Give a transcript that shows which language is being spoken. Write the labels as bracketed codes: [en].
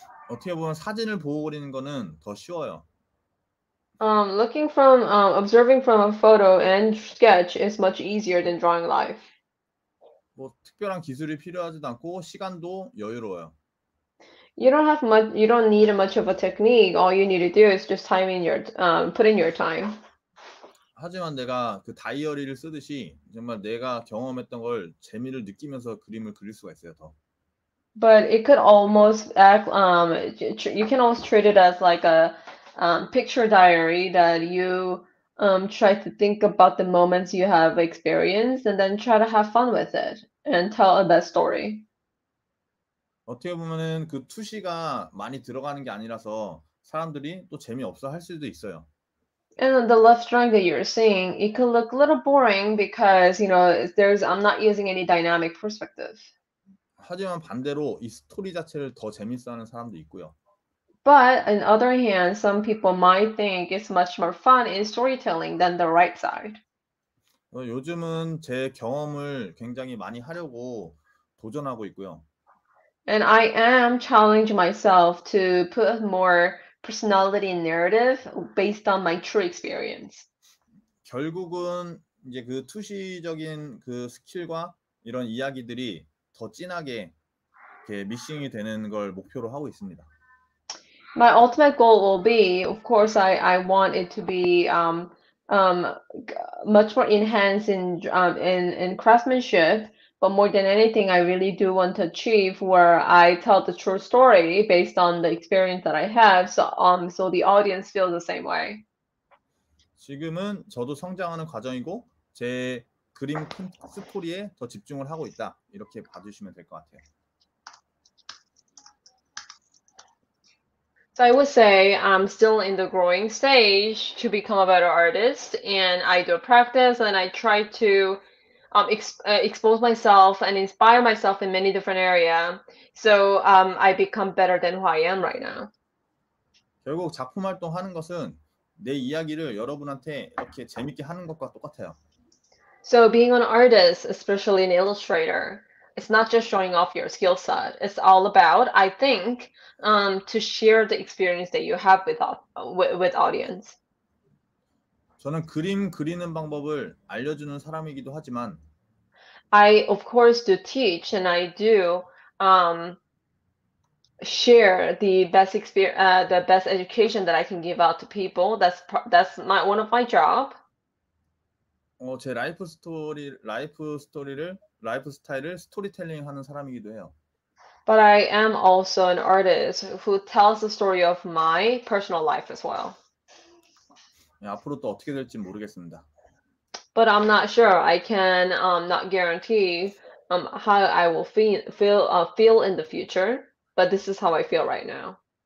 [ko] 어떻게 보면 사진을 보고 그리는 거는 더 쉬워요. [en] Looking from observing from a photo and sketch is much easier than drawing live. [ko] 뭐 특별한 기술이 필요하지도 않고 시간도 여유로워요. [en] You don't need much of a technique. All you need to do is just time in your put in your time. [ko] 하지만 내가 그 다이어리를 쓰듯이 정말 내가 경험했던 걸 재미를 느끼면서 그림을 그릴 수가 있어요, 더. [en] But it could almost act, you can almost treat it as like a picture diary that you try to think about the moments you have experienced and then try to have fun with it and tell that story. [ko] 어떻게 보면은 그 투시가 많이 들어가는 게 아니라서 사람들이 또 재미없어 할 수도 있어요. [en] And the left drawing that you're seeing, it could look a little boring because, I'm not using any dynamic perspective. [ko] 하지만 반대로 이 스토리 자체를 더 재밌어 하는 사람도 있고요. [en] But on the other hand, some people might think it's much more fun in storytelling than the right side. [ko] 요즘은 제 경험을 굉장히 많이 하려고 도전하고 있고요. [en] And I am challenging myself to put more personality in narrative based on my true experience. [ko] 결국은 이제 그 투시적인 그 스킬과 이런 이야기들이 더 진하게 이렇게 믹싱이 되는 걸 목표로 하고 있습니다. [en] My ultimate goal will be, of course, I want it to be much more enhanced in craftsmanship, but more than anything, I really do want to achieve where I tell the true story based on the experience that I have, so the audience feels the same way. [ko] 지금은 저도 성장하는 과정이고 제 그림 스토리에 더 집중을 하고 있다. 이렇게 봐주시면 될것 같아요. [en] So I would say I'm still in the growing stage to become a better artist, and I do practice and I try to expose myself and inspire myself in many different areas, so I become better than who I am right now. [ko] 결국 작품 활동하는 것은 내 이야기를 여러분한테 이렇게 재밌게 하는 것과 똑같아요. [en] So being an artist, especially an illustrator, it's not just showing off your skill set. It's all about, I think, to share the experience that you have with audience. [ko] 저는 그림 그리는 방법을 알려주는 사람이기도 하지만, [en] I of course do teach and I do share the best education that I can give out to people. That's my one of my job. [ko] 제 라이프 스타일을 스토리텔링 하는 사람이기도 해요. [en] But I am also an artist who tells the story of my personal life as well. [ko] 앞으로 또 어떻게 될지 모르겠습니다. [en] But I'm not sure. I can not guarantee how I will feel in the future, but this is how I feel right now.